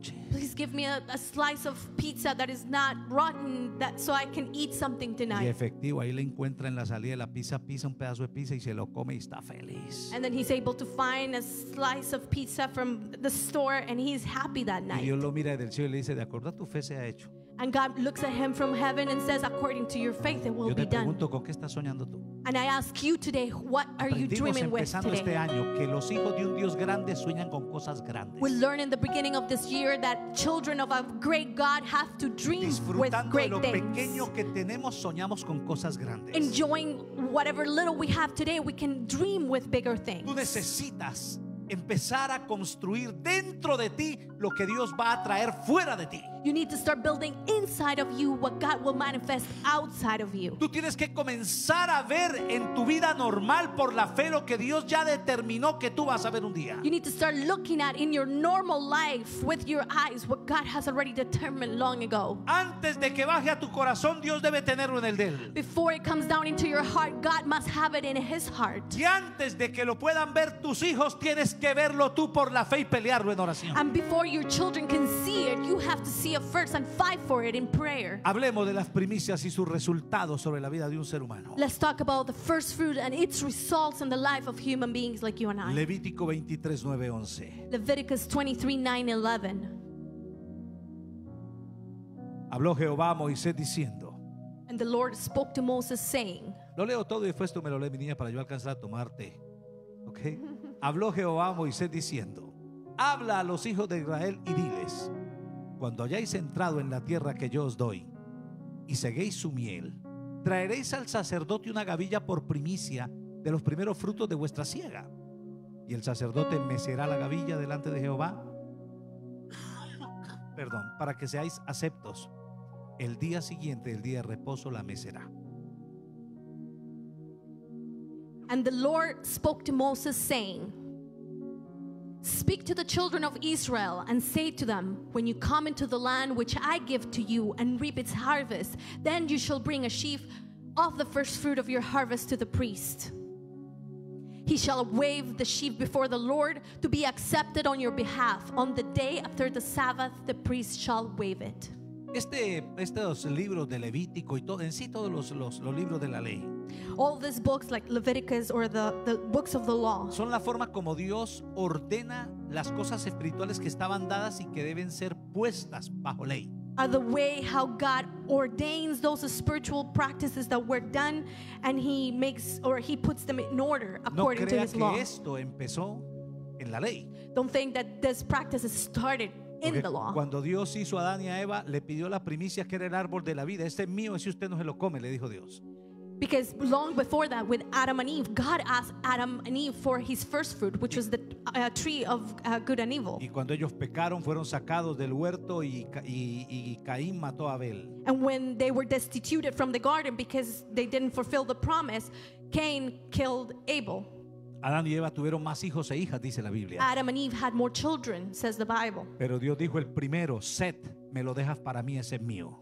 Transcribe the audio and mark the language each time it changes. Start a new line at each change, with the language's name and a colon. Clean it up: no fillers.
English: Please give me a slice of pizza that is not rotten that so I can eat something tonight.
Spanish: Y efectivo, ahí le encuentra en la salida de la pizza, pisa un pedazo de pizza y se lo come y está feliz.
English: And then he's able to find a slice of pizza from the store and he's happy that night.
Spanish: Y Dios lo mira del cielo y le dice, de acuerdo a tu fe se ha hecho.
English: And God looks at him from heaven and says, according to your faith, it will
Spanish: Yo te
English: be done.
Spanish: Pregunto, ¿con qué estás soñando tú?
English: And I ask you today, what are you dreaming with today?
Spanish: Empezando este año, que los hijos de un Dios grande sueñan con cosas grandes.
English: We learn in the beginning of this year that children of a great God have to dream with great things.
Spanish: Disfrutando lo pequeño que tenemos, soñamos con cosas grandes.
English: Enjoying whatever little we have today, we can dream with bigger things.
Spanish: Tú necesitas empezar a construir dentro de ti lo que Dios va a traer fuera de ti.
English: You need to start building inside of you what God will manifest outside of you.
Spanish: Tú tienes que comenzar a ver en tu vida normal por la fe lo que Dios ya determinó que tú vas a ver un día.
English: You need to start looking at in your normal life with your eyes what God has already determined long ago.
Spanish: Antes de que baje a tu corazón, Dios debe tenerlo en el de él.
English: Before it comes down into your heart, God must have it in his heart.
Spanish: Y antes de que lo puedan ver tus hijos, tienes que verlo tú por la fe y pelearlo en oración.
English: And before your children can see it, you have to see it first and fight for it in prayer.
Spanish: Hablemos de las primicias y sus resultados sobre la vida de un ser humano.
English: Let's talk about the first fruit and its results in the life of human beings like you and I.
Spanish: Levítico 23, 9, 11.
English: Leviticus 23, 9, 11.
Spanish: Habló Jehová a Moisés diciendo.
English: And the Lord spoke to Moses saying.
Spanish: Lo leo todo y después tú me lo lees, mi niña, para yo alcanzar a tomarte. Okay. Habló Jehová a Moisés diciendo. Habla a los hijos de Israel y diles. Cuando hayáis entrado en la tierra que yo os doy y seguéis su miel, traeréis al sacerdote una gavilla por primicia de los primeros frutos de vuestra siega. Y el sacerdote mecerá la gavilla delante de Jehová, perdón, para que seáis aceptos. El día siguiente, el día de reposo, la mecerá.
English: And the Lord spoke to Moses saying, speak to the children of Israel and say to them, when you come into the land which I give to you and reap its harvest, then you shall bring a sheaf of the first fruit of your harvest to the priest. He shall wave the sheaf before the Lord to be accepted on your behalf. On the day after the Sabbath, the priest shall wave it.
Spanish: Estos libros de Levítico y todo, en sí todos los libros de la ley.
English: All these books like Leviticus or the books of the law.
Spanish: Son la forma como Dios ordena las cosas espirituales que estaban dadas y que deben ser puestas bajo ley.
English: Are the way how God ordains those spiritual practices that were done and he puts them in order according to his law.
Spanish: No crea que esto empezó en la ley.
English: Don't think that this practice started.
Spanish: Porque cuando Dios hizo a Adán y a Eva, le pidió la primicia que era el árbol de la vida. Este es mío, ese usted no se lo come, le dijo Dios.
English: Because long before that, with Adam and Eve, God asked Adam and Eve for his first fruit, which was the tree of good and evil.
Spanish: Y cuando ellos pecaron, fueron sacados del huerto y Caín mató a Abel.
English: And when they were destituted from the garden because they didn't fulfill the promise, Cain killed Abel.
Spanish: Adán y Eva tuvieron más hijos e hijas, dice la Biblia.
English: Adam and Eve had more children, says the Bible.
Spanish: Pero Dios dijo el primero, Seth, me lo dejas para mí, ese es mío.